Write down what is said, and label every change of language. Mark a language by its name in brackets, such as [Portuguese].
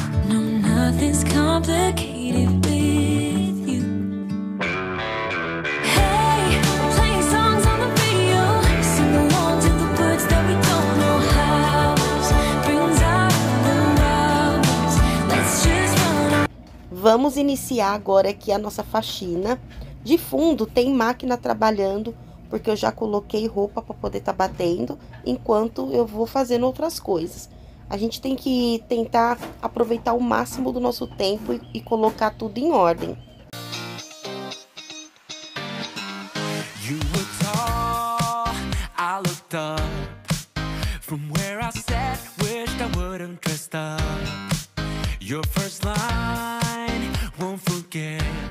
[English] No, nothing's complicated with you. Hey, playing songs on the radio, sing along to the words that we don't know how. Brings out the rounds. Let's just run. [Portuguese] Vamos iniciar agora aqui a nossa faxina. De fundo tem máquina trabalhando, porque eu já coloquei roupa para poder estar batendo, enquanto eu vou fazendo outras coisas. A gente tem que tentar aproveitar o máximo do nosso tempo e colocar tudo em ordem. [English] You were tall, I looked up. From where I sat, wished I wouldn't dress up. Your first line, won't forget.